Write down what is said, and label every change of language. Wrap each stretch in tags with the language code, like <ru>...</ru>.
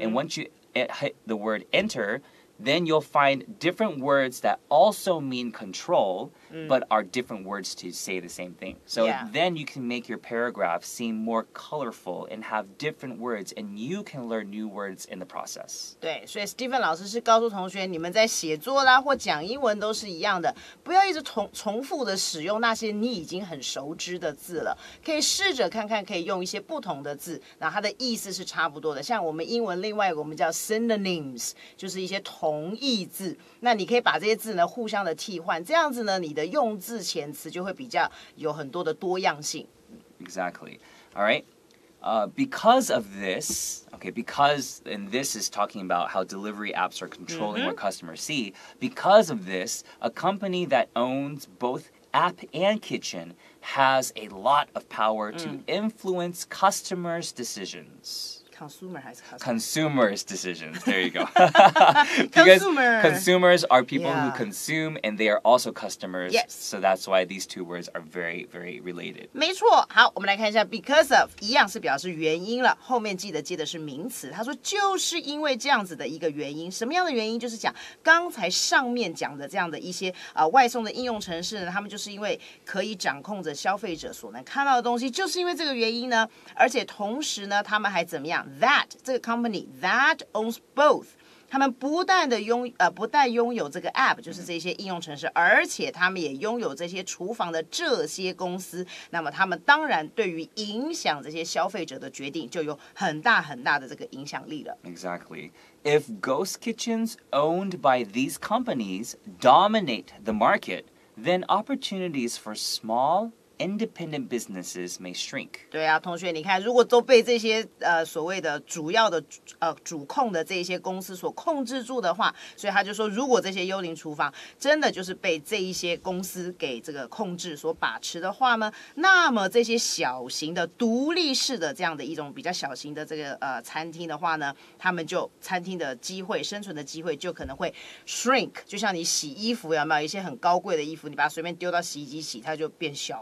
<en>and once you hit the word enter,then you'll find different words that also mean control,、 mm. but are different words to say the same thing. So、 yeah. then you can make your paragraph seem more colorful and have different words, and you can learn new words in the process.</en> <zh>对，所以 Stephen 老师是告诉同学，你们在写作啦或讲英文都是一样的，不要一直重复的使用那些你已经很熟知的字了，可以试着看看可以用一些不同的字，然后它的意思是差不多的。像我们英文另外一个我们叫 synonyms， 就是一些同义字，那你可以把这些字呢互相的替换，这样子呢，你的用字遣词就会比较有很多的多样性。</zh> <en>Exactly. All right. Because of this, okay, because, and this is talking about how delivery apps are controlling、mm-hmm. what customers see, because of this, a company that owns both app and kitchen has a lot of power to、mm. influence customers' decisions. Consumers' decisions. There you go. Because consumers are people、yeah. who consume, and they are also customers. Yes. So that's why these two words are very, very related.</en> <zh>没错。好，我们来看一下 because of 一样是表示原因了，后面记得接的是名词。他说就是因为这样子的一个原因，什么样的原因？就是讲刚才上面讲的这样的一些、外送的应用程式呢，他们就是因为可以掌控着消费者所能看到的东西，就是因为这个原因呢，而且同时呢，他们还怎么样？ That 这个</zh> <en>company that owns both，</en> <zh>他们不但的拥不但拥有这个 app， 就是这些应用程式，而且他们也拥有这些厨房的这些公司。那么他们当然对于影响这些消费者的决定就有很大很大的这个影响力了。</zh> <en>Exactly. If ghost kitchens owned by these companies dominate the market, then opportunities for small independent businesses may shrink.</en> <zh>对啊，同学，你看，如果都被这些所谓的主要的主控的这些公司所控制住的话，所以他就说，如果这些幽灵厨房真的就是被这一些公司给这个控制所把持的话呢，那么这些小型的独立式的这样的一种比较小型的这个餐厅的话呢，他们就餐厅的机会生存的机会就可能会 shrink。就像你洗衣服有没有一些很高贵的衣服，你把它随便丢到洗衣机洗，它就变小了。</zh>